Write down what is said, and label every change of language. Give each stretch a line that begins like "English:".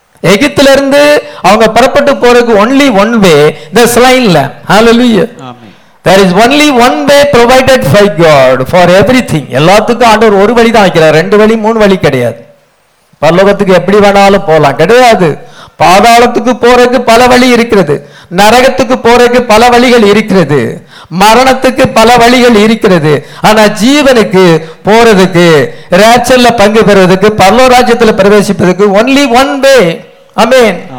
Tamil: எகிப்திலிருந்து அவங்க புறப்பட்டு போறதுக்கு
English: only one way, the slain lamb. Hallelujah. There is only one way provided by God for everything.
Tamil: எல்லாத்துக்கும் ஆண்டவர் ஒரு வழி தான் வைக்கிறார். ரெண்டு வழி மூணு வழி கிடையாது. பல்லோகத்துக்கு எப்படி வேணாலும் போகலாம், கிடையாது. பாதாளத்துக்கு போறதுக்கு பல வழி இருக்கிறது. நரகத்துக்கு போறதுக்கு பல வழிகள் இருக்கிறது. மரணத்துக்கு பல வழிகள் இருக்கிறது. ஆனா ஜீவனுக்கு போறதுக்கு, ராச்சல்ல பங்கு பெறுவதற்கு, பல்லோ ராஜ்யத்துல பிரவேசிப்பதற்கு
English: Only one way.
Tamil: அமேன்.